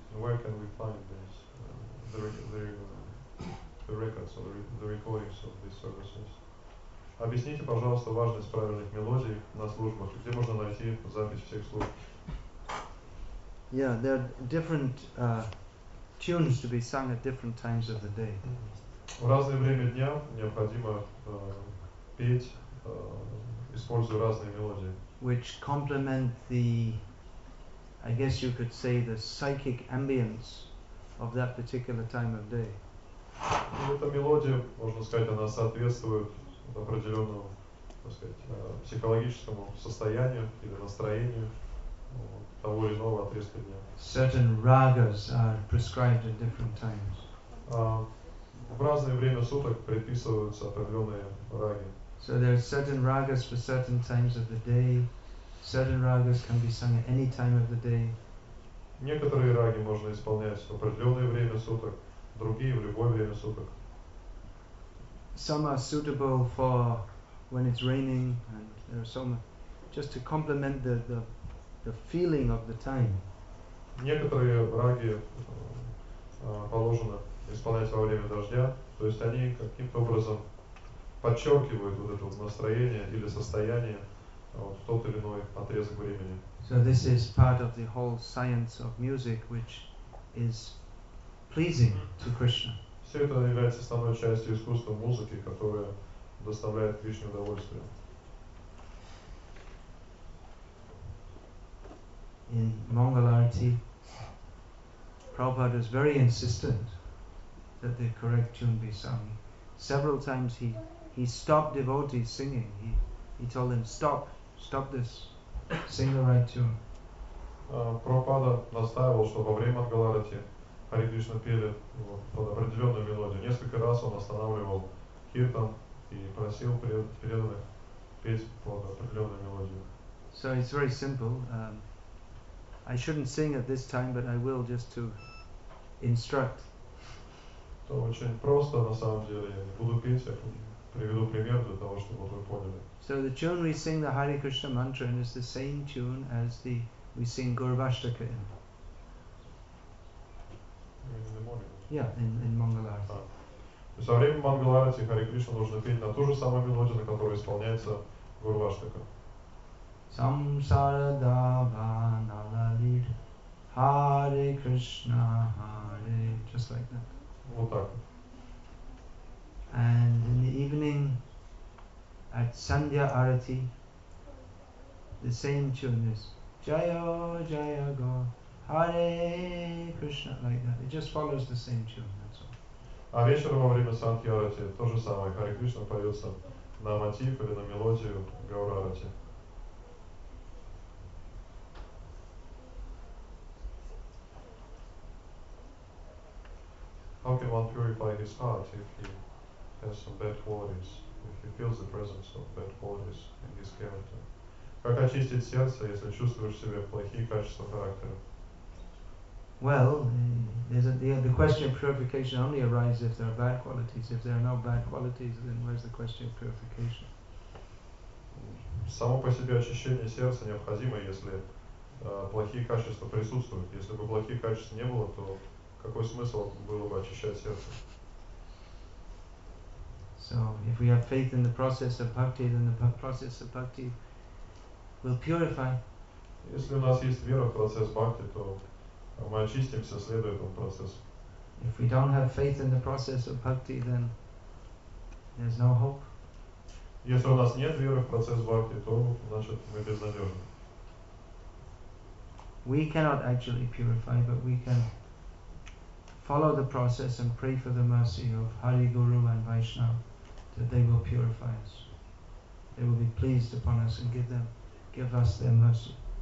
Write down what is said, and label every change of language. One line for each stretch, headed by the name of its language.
English: Where can we find this, the records or the recordings of these services?
Russian: Объясните, пожалуйста, важность правильных мелодий на службах. Где можно найти запись всех служб?
English: Yeah, there are different tunes to be sung at different times of the day.
Russian: В разное время дня необходимо петь, используя разные мелодии.
English: Which complement the, I guess you could say, the psychic ambience of that particular time of day.
Russian: Эта мелодия, можно сказать, она соответствует определенному, так сказать, психологическому состоянию или настроению того или иного отрезка дня.
English: Certain ragas are prescribed at different times.
Russian: В разное время суток предписываются определенные раги.
English: So there are certain ragas for certain times of the day. Certain ragas can be sung at any time of the day.
Russian: Некоторые раги можно исполнять в определенное время суток, другие в любое время суток.
English: Some are suitable for when it's raining, and there are some just to complement the feeling of the time.
Russian: Некоторые раги положены исполнять во время дождя, то есть они каким-то образом подчеркивают вот это настроение или состояние в тот или иной отрезок времени.
English: So this is part of the whole science of music, which is pleasing to Krishna.
Russian: Все это является основной частью искусства музыки, которая доставляет Кришне удовольствие.
English: In Mangala Arati, Prabhupada is very insistent that the correct tune be sung. Several times he stopped devotees singing. He told them, stop this, sing the right tune.
Russian: Прабхупада настаивал, что во время Мангаларати Хари Кришна пели под определенную мелодию. Несколько раз он останавливал киртан и просил преданных петь под определенную мелодию.
English: So it's very simple. I shouldn't sing at this time, but I will just to instruct.
Russian: Это очень просто, на самом деле. Я не буду петь, я приведу пример для того, чтобы вы поняли.
English: So the tune we sing the Hare Krishna mantra in is the same tune as the we sing Gurvashtaka in. In the morning? Yeah, in Mangalarati.
Russian: Со времени Мангаларати Хари Кришна нужно петь на ту же самую мелодию, на которую исполняется Гурваштака.
Sanskrit: Samsarada Vanalalir Hare Krishna Hare,
English: just like that.
Russian: Вот так.
English: And in the evening at Sandhya Arati, the same tune is Jaya Jaya Go Hare Krishna, like that. It just follows the same tune, that's all.
Russian: А вечером во время Сандхи Арати то же самое. Хари Кришна поется на мотив или на мелодию Гаура Арати.
English: How can one purify his heart if he has some bad qualities, if he feels the presence of bad qualities in his character?
Russian: Как очистить сердце, если чувствуешь в себе плохие качества характера?
English: Well, the question of purification only arises if there are bad qualities. If there are no bad qualities, then where's the question of purification?
Russian: Само по себе очищение сердца необходимо, если плохие качества присутствуют. Если бы плохие качества не было, то какой смысл было бы очищать сердце?
English: So, if we have faith in the process of bhakti, then the process of bhakti will purify.
Russian: Если у нас есть вера в процесс бхакти, то мы очистимся, следуя этому процессу.
English: If we don't have faith in the process of bhakti, then there's no hope.
Russian: Если у нас нет веры в процесс бхакти, то значит мы безнадежны.
English: We cannot actually purify, but we can follow the process and pray for the mercy of Hari Guru and Vaishnava, that they will purify us. They will be pleased upon us and give us their mercy.